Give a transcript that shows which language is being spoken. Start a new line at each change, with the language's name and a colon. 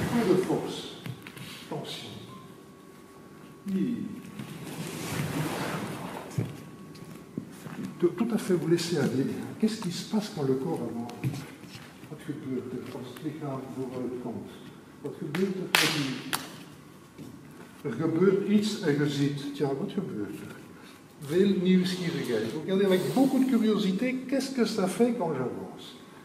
French: De force, tension. Tout à fait vous laisser aller. Qu'est-ce qui se passe quand le corps avance?
Dutch: Wat gebeurt er als het lichaam vooruit komt? Wat gebeurt er als je... Er gebeurt iets en je ziet. Tja, wat gebeurt er? Veel nieuwsgierigheid.
French: Regardez avec beaucoup de curiosité, qu'est-ce que ça fait quand j'avance?